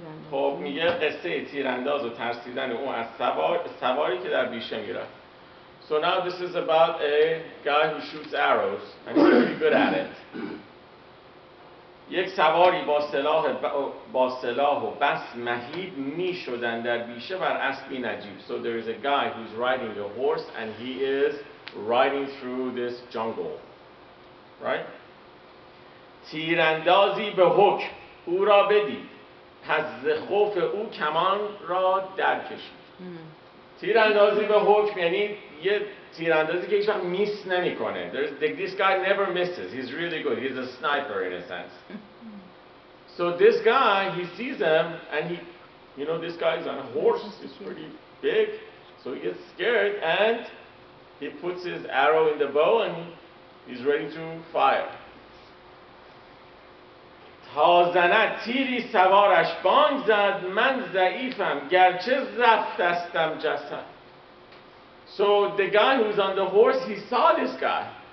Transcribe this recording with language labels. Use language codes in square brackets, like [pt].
[fa] خب میگه قصه تیرانداز و ترسیدن اون از سواری که در بیشه میره. [en] So now this is about a guy who shoots arrows. And he's pretty good at it. [fa] یک سواری با سلاح و بس مهیب می شدن در بیشه بر اسبی نجیب. [en] So there is a guy who's riding a horse and he is riding through this jungle. Right? [fa] تیراندازی به حکم او را بدید. پس ز خوف او کمان را در کشید. تیراندازی به حکم یعنی یه تیراندازی که هیچوقت میس نمی کنه. [en] This guy never misses. He's really good. He's a sniper in a sense. So this guy, he sees him and he, you know, this guy is on a horse. He's pretty big. So he gets scared and he puts his arrow in the bow and he's ready to fire. [fa] تا زند تیری سوارش بانگ زد من ضعیفم گرچه زفت استم جسد. [en] So the guy who's on the horse, he saw this guy.